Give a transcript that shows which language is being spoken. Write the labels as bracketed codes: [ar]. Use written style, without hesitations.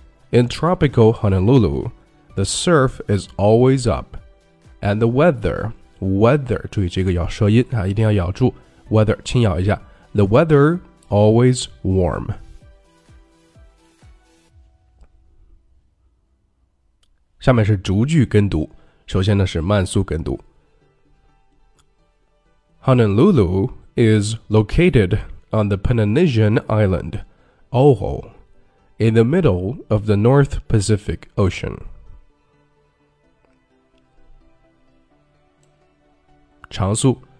[en] In tropical Honolulu, the surf is always up, and the weather, [zh] 注意这个咬舌音、啊、一定要咬住 [en] weather, [zh] 轻咬一下 [en] the weather always warm. [zh] 下面是逐句跟读，首先呢是慢速跟读。 [en] Honolulu is located on the Polynesian island, Oahu. In the middle of the North Pacific Ocean. [zh] 长宿。